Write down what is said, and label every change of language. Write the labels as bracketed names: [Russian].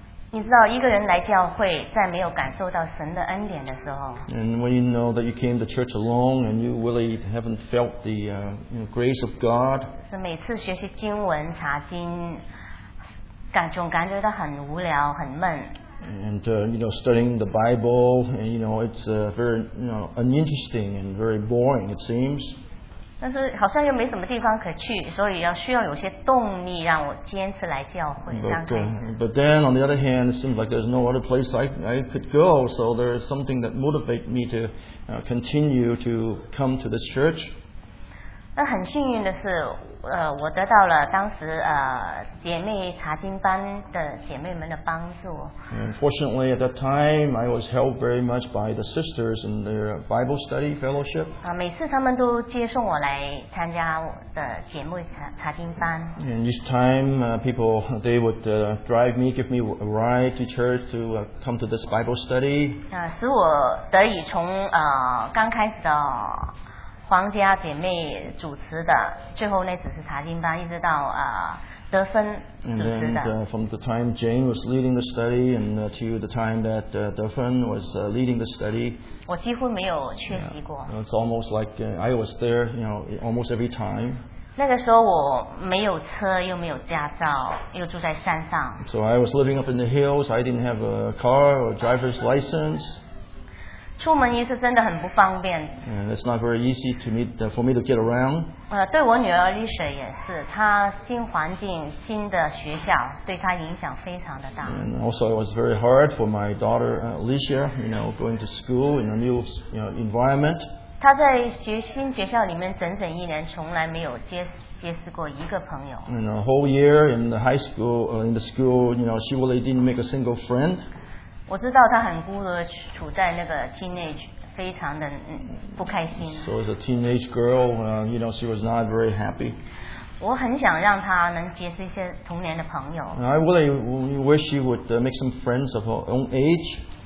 [Chinese] 你知道一个人来教会，在没有感受到神的恩典的时候。 [English] And when you know that you came to church alone, and you really haven't felt the you know, grace of God. [Chinese] 是每次学习经文查经。感觉到很无聊，很闷。 [English] And you know, studying the Bible, and you know, it's very, you know, uninteresting and very boring, it seems. [Chinese] 但是好像又没什么地方可去，所以要需要有些动力让我坚持来教会。 [English] But then, on the other hand, it seems like there's no other place I could go. So there is something that motivates me to continue to come to this church. [Chinese] 那很幸运的是。我得到了当时姐妹查经班的姐妹们的帮助。 [English] And fortunately, at that time, I was helped very much by the sisters in their Bible study fellowship. [Chinese] 每次他们都接送我来参加的姐妹查经班。 [English] And each time, people they would drive me, give me a ride to church to come to this Bible study. [Chinese] 使我得以从刚开始的。皇家姐妹主持的，最后那只是查经班，一直到德芬主持的。 [English] And then, from the time Jane was leading the study, and to the time that Duffin was leading the study, [Chinese] 我几乎没有缺席过。 [English] Yeah, it's almost like I was there, you know, almost every time. [Chinese] 那个时候我没有车，又没有驾照，又住在山上。 [English] So I was living up in the hills. I didn't have a car or driver's license. [Chinese] 出门一次真的很不方便。 [English] And it's not very easy to meet for me to get around. [Chinese] 对我女儿 Lisa 也是，她新环境、新的学校对她影响非常的大。 [English] And also, it was very hard for my daughter Alicia, you know, going to school in a new, you know, environment. [Chinese] 她在新学校里面整整一年，从来没有结识过一个朋友。 [English] And a whole year in the high school, in the school, you know, she really didn't make a single friend. [Chinese] 我知道他很孤独，处在那个 teenage， 非常的不开心。 [English] So as a teenage girl, you know, she was not very happy. [Chinese] 我很想让他能结识一些童年的朋友。 [English] I really wish she would make some friends of her own age.